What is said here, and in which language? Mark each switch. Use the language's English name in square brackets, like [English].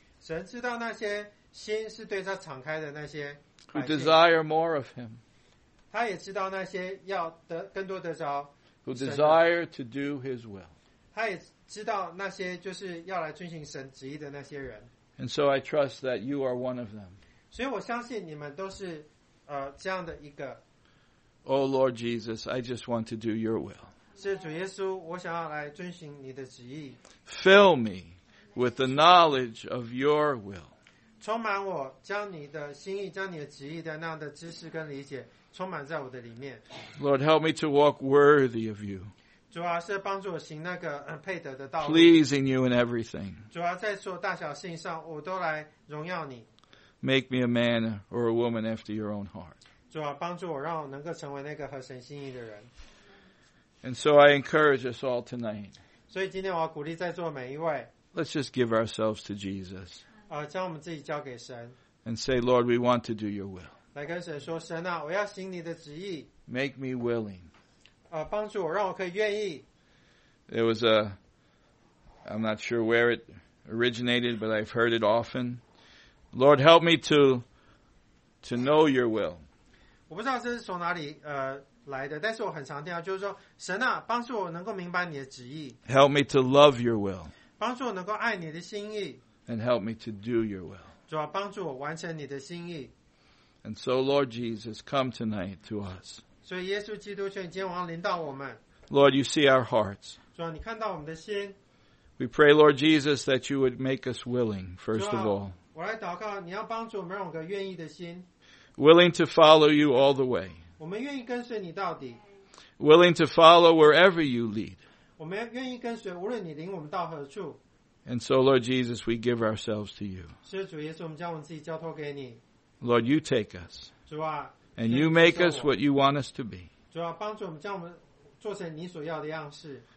[Chinese] 神知道那些心是对他敞开的那些。 [English] Who desire more of him. [Chinese] 他也知道那些要得更多得着。 [English] Who desire to do his will. [Chinese] 他也知道那些就是要来遵行神旨意的那些人。 [English] And so I trust that you are one of them. [Chinese] 所以我相信你们都是这样的一个。 [English] Oh Lord Jesus, I just want to do your will. [Chinese] 是主耶稣，我想要来遵行你的旨意。 [English] Fill me with the knowledge of your will. [Chinese] 充满我，将你的心意，将你的旨意的那样的知识跟理解充满在我的里面。 [English] Lord, help me to walk worthy of you. [Chinese] 主啊，是帮助我行那个配得的道路。 [English] Pleasing you in everything. [Chinese] 主啊，在所有大小事情上，我都来荣耀你。 [English] Make me a man or a woman after your own heart. [Chinese] 主啊，帮助我，让我能够成为那个合神心意的人。 [English] And so I encourage us all tonight. [Chinese] 所以今天我要鼓励在座每一位。 [English] Let's just give ourselves to Jesus. [Chinese] 将我们自己交给神。 [English] And say, Lord, we want to do your will. [Chinese] 来跟神说，神啊，我要行你的旨意。 [English] Make me willing. [Chinese] 帮助我，让我可以愿意。 [English] There was a, I'm not sure where it originated, but I've heard it often. Lord, help me to know your will. [Chinese] 我不知道这是从哪里来的，但是我很常听到，就是说，神啊，帮助我能够明白你的旨意。 [English] Help me to love your will. [Chinese] 帮助我能够爱你的心意。 [English] And help me to do your will. [Chinese] 主啊，帮助我完成你的心意。 [English] And so, Lord Jesus, come tonight to us. [Chinese] 所以耶稣基督，求你今天晚上临到我们。 [English] Lord, you see our hearts. [Chinese] 主啊，你看到我们的心。 [English] We pray, Lord Jesus, that you would make us willing, first of all. [Chinese] 主啊，我来祷告，你要帮助我们让我们愿意的心。 [English] Willing to follow you all the way. [Chinese] 我们愿意跟随你到底。 [English] Willing to follow wherever you lead. [Chinese] 我们愿意跟随，无论你领我们到何处。 [English] And so, Lord Jesus, we give ourselves to you. [Chinese] 是主耶稣，我们将我们自己交托给你。 [English] Lord, you take us. [Chinese] 主啊, [English] and you make us what you want us to be. [Chinese] 主啊, 帮助我们, 将我们做成你所要的样式,